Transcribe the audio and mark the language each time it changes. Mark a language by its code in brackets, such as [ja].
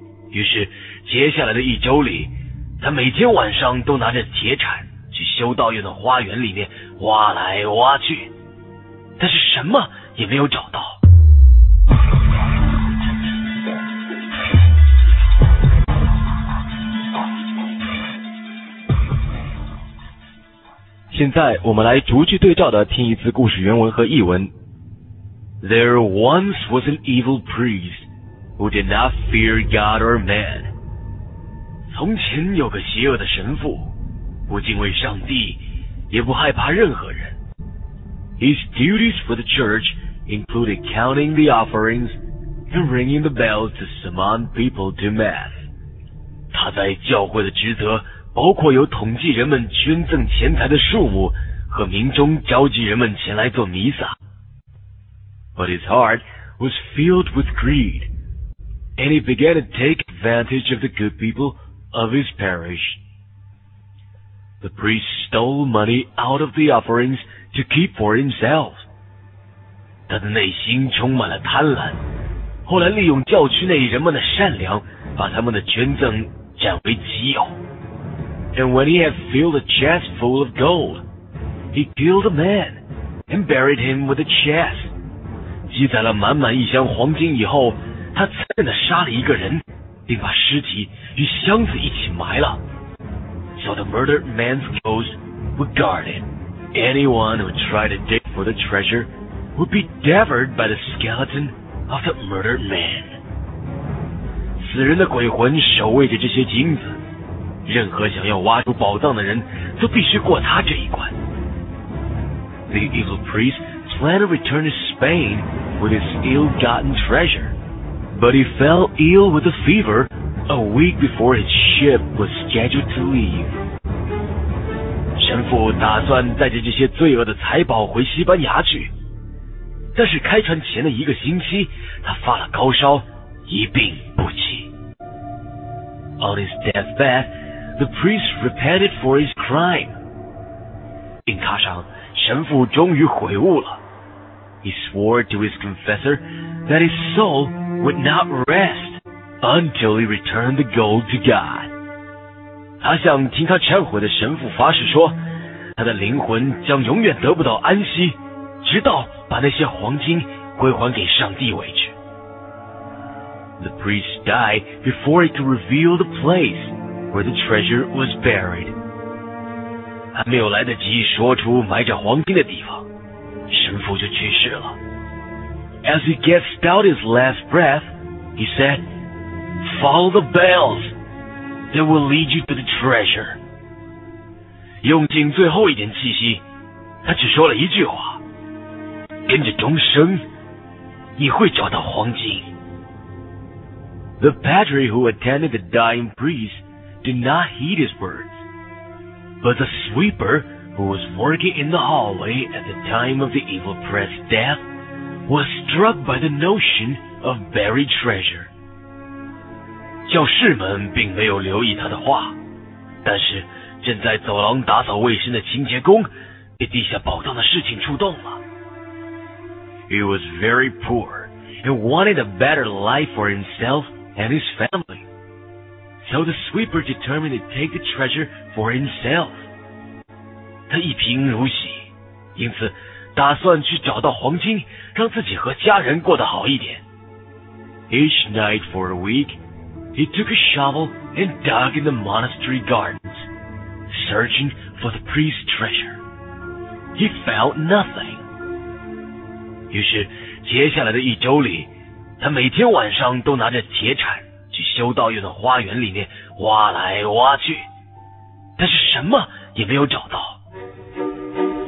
[zh] 于是接下来的一周里，他每天晚上都拿着铁铲去修道院的花园里面挖来挖去，但是什么也没有找到。现在我们来逐句对照的听一次故事原文和译文。 [en] There once was an evil priest who did not fear God or man. [zh] 从前有个邪恶的神父，不敬畏上帝，也不害怕任何人。 [en] His duties for the church included counting the offerings and ringing the bells to summon people to mass. [zh] 他在教会的职责包括有统计人们捐赠钱财的数目和民众召集人们前来做弥撒。 [en] But his heart was filled with greed, and he began to take advantage of the good people of his parish. The priest stole money out of the offerings to keep for himself. [zh] 他的内心充满了贪婪，后来利用教区内人们的善良，把他们的捐赠占为己有。 [en] And when he had filled a chest full of gold, he killed a man and buried him with a chest. [zh] 积攒了满满一箱黄金以后，他残忍地杀了一个人，并把尸体与箱子一起埋了。 [en] So the murdered man's clothes were guarded. Anyone who tried to dig for the treasure would be devoured by the skeleton of the murdered man. [zh] 死人的鬼魂守卫着这些金子，任何想要挖出宝藏的人都必须过他这一关。 [en] The evil priest planned to return to Spain with his ill-gotten treasure, but he fell ill with a fever a week before his ship was scheduled to leave. [zh] 神父打算带着这些罪恶的财宝回西班牙去，但是开船前的一个星期他发了高烧，一病不起。 [en] On his deathbedThe priest repented for his crime. [zh] 病榻上，神父终于悔悟了。 [en] He swore to his confessor that his soul would not rest until he returned the gold to God. [zh] 他向听他忏悔的神父发誓说，他的灵魂将永远得不到安息，直到把那些黄金归还给上帝为止。 [en] The priest died before he could reveal the place. Where the treasure was buried. [zh] 还没有来得及说出埋着黄金的地方，神父就去世了。 [en] As he gasped out his last breath, he said, Follow the bells, they will lead you to the treasure. [zh] 用尽最后一点气息，他只说了一句话，跟着钟声，你会找到黄金。 [en] The padre who attended the dying priest,did not heed his words. But the sweeper who was working in the hallway at the time of the evil priest's death was struck by the notion of buried treasure. [zh] 教士们并没有留意他的话，但是正在走廊打扫卫生的清洁工被地下宝藏的事情触动了。 [en] He was very poor and wanted a better life for himself and his family. So the sweeper determined to take the treasure for himself. [zh] 他一贫如洗，因此打算去找到黄金，让自己和家人过得好一点。 [en] Each night for a week, he took a shovel and dug in the monastery gardens, searching for the priest's treasure. He found nothing. [zh] 于是接下来的一周里，他每天晚上都拿着铁铲去修道院的花园里面挖来挖去，但是什么也没有找到。